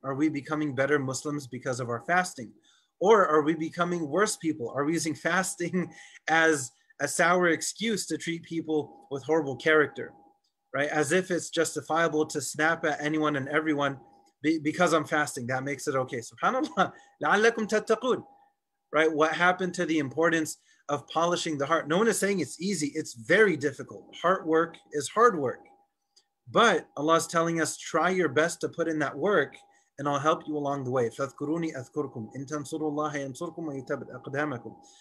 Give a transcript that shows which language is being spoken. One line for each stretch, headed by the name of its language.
English: Are we becoming better Muslims because of our fasting? Or are we becoming worse people? Are we using fasting as a sour excuse to treat people with horrible character? Right? As if it's justifiable to snap at anyone and everyone because I'm fasting, that makes it okay.
Arabic: SubhanAllah, لَعَلَّكُمْ تَتَّقُونَ.
English: Right? What happened to the importance of polishing the heart? No one is saying it's easy. It's very difficult. Heart work is hard work. But Allah is telling us, try your best to put in that work and I'll help you along the way.
Arabic: فَذْكُرُونِي أَذْكُرْكُمْ إِن تَنْصُرُوا اللَّهَ يَنْصُرْكُمْ وَيُتَبِتْ أَقْدَامَكُمْ.